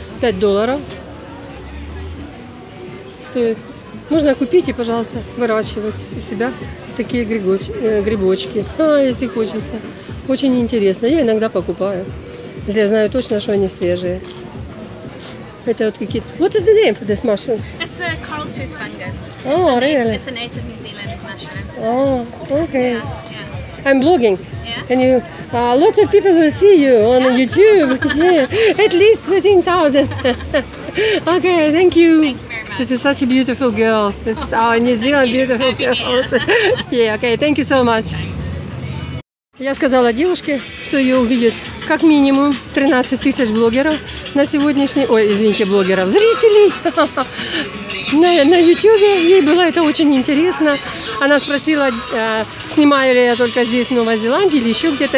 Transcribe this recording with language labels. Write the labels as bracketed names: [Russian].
[English] $5. [Russian] Стоит. Можно купить и, пожалуйста, выращивать у себя такие грибочки, если хочется. Очень интересно. Я иногда покупаю, если я знаю точно, что они свежие. Это вот какие-то... [English] What is the name for this mushroom? It's a coral tooth fungus. Oh, it's really? It's a native New Zealand mushroom. Oh, okay. Yeah, yeah. I'm blogging. Yeah. And you... lots of people will see you on YouTube. Yeah. At least 13,000. Okay, thank you. Thank you. This is such a beautiful girl. This is our New Zealand beautiful girl. Yeah, okay, thank you so much. [Russian] Я сказала девушке, что ее увидит как минимум 13 тысяч блогеров на сегодняшний... Ой, извините, блогеров, зрителей на YouTube. Ей было это очень интересно. Она спросила, снимаю ли я только здесь, в Новой Зеландии, или еще где-то.